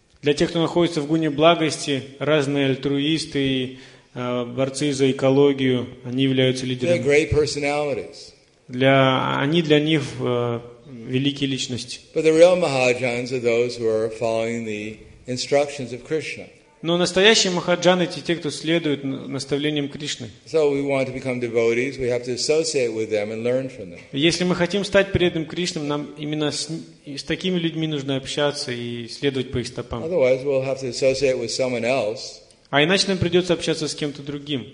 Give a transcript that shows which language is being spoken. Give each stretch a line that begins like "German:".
Russian: Для тех, кто находится в гуне благости, разные альтруисты и борцы за экологию, они являются лидерами. Они для них великие личности. Но настоящие махаджаны – это те, кто следует инструкциям Кришны. Но настоящие махаджаны – это те, кто следует наставлениям Кришны.
English: So we want to become devotees, we have to associate with them and learn from them.
Russian: Если мы хотим стать преданным Кришнам, нам именно с такими людьми нужно общаться и следовать по их стопам.
English: Otherwise, we'll have to associate with someone else.
Russian: А иначе нам придется общаться с кем-то другим.